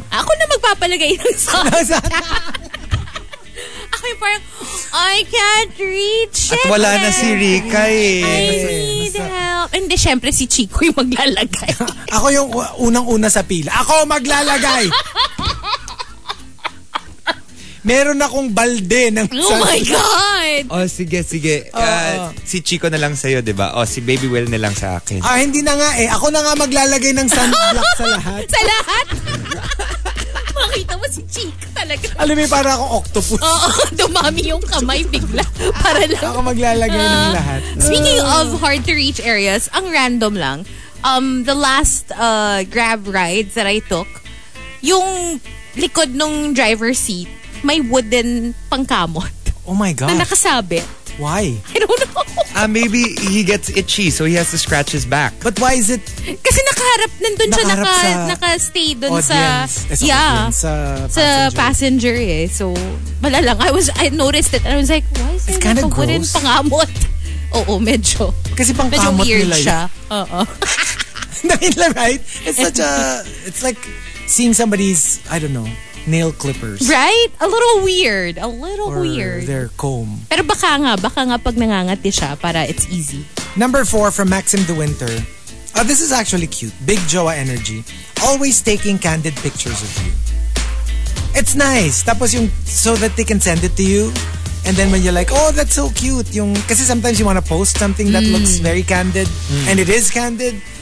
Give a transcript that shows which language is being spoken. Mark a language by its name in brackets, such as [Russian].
[Filipino] Ako na magpapalagay ng socks. Ako yung parang, I can't reach it. At wala na si Rika eh. I need help. Hindi, syempre si Chico yung maglalagay. Ako yung unang-una sa pila. Ako maglalagay. Meron akong balde ng [English] sa... Oh my God! [Filipino] Oh, sige. Si Chico na lang sa'yo, diba? Oh, si Baby Will na lang sa akin. Ah, hindi na nga eh. Ako na nga maglalagay ng sunblock sa lahat. Sa lahat? Makita mo si Chico talaga. Alam mo, para akong octopus. Oo, dumami yung kamay bigla. Para lang... Ako maglalagay ng lahat. [English] Speaking of hard-to-reach areas, ang random lang. The last grab ride that I took, yung likod nung driver's seat, may wooden pangkamot. Oh my God. [Filipino] Na nakasabit. [English] Why? I don't know. Maybe he gets itchy so he has to scratch his back. But why is it... [Filipino] Kasi nakaharap, nandun siya, naka-stay dun [English] audience. [Filipino] Sa passenger. So, wala lang. [English] I noticed it and I was like, why is there like a wooden pangkamot? [Filipino] Oo, medyo. Kasi pangkamot nila. Medyo weird siya. [English] Oo. Right? It's such a... It's like seeing somebody's, I don't know, nail clippers. Right? A little weird. Or their comb. [Filipino] Pero baka nga pag nangangati siya para it's easy. [English] Number 4 from Maxim the Winter. Oh, this is actually cute. Big Joa energy. Always taking candid pictures of you. It's nice. Tapos yung so that they can send it to you. And then when you're like, oh, that's so cute. Yung kasi sometimes you want to post something that looks very candid. Mm. And it is candid.